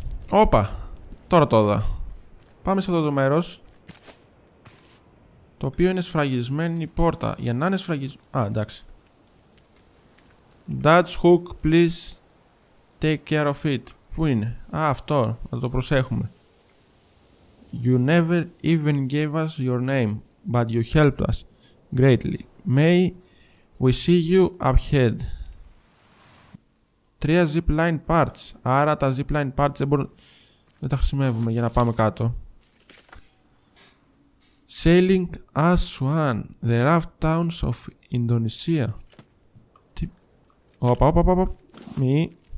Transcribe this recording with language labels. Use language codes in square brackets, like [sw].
[el] Όπα, τώρα το είδα. Πάμε σε αυτό το μέρος. Το οποίο είναι σφραγισμένη πόρτα. Για να είναι σφραγισμένη... Α, εντάξει. [en] Dutch hook, please take care of it. [el] Πού είναι? Α, αυτό. Να το προσέχουμε. [en] You never even gave us your name, but you helped us greatly. May we see you up ahead. [el] Τρία zip line parts. Άρα τα zip line parts δεν μπορούν... Δεν τα χρησιμεύουμε για να πάμε κάτω. [en] Sailing Aswan, the raft towns of Indonesia. [el] Τι... Οπα, οπα, οπα, οπα. Μη.